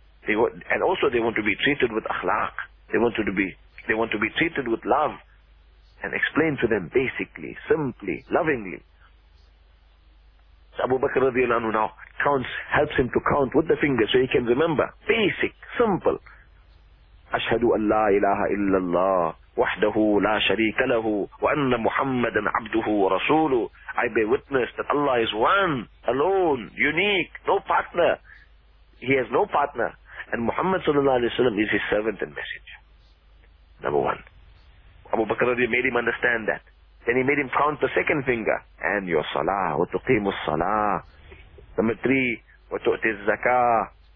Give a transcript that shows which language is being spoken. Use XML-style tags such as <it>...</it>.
<en>They want, and also they want to be treated with akhlaq. They want to be treated with love. And explain to them basically, simply, lovingly. So Abu Bakr radiallahu anhu now counts, helps him to count with the fingers so he can remember. Basic, simple.</en> <ar>أشهد أن لا إله إلا الله وحده لا شريك له وأن محمدا عبده ورسوله.</ar> <en>I bear witness that Allah is one, alone, unique, no partner. He has no partner. And Muhammad sallallahu alayhi wa sallam is his servant and messenger. Number one. Abu Bakr radiallahu anhu made him understand that. Then he made him count the second finger. And your salah,</en> <ar>وتقيم الصلاة.</ar> <en>Number three,</en> <ar>وتؤتي الزكاة.</ar>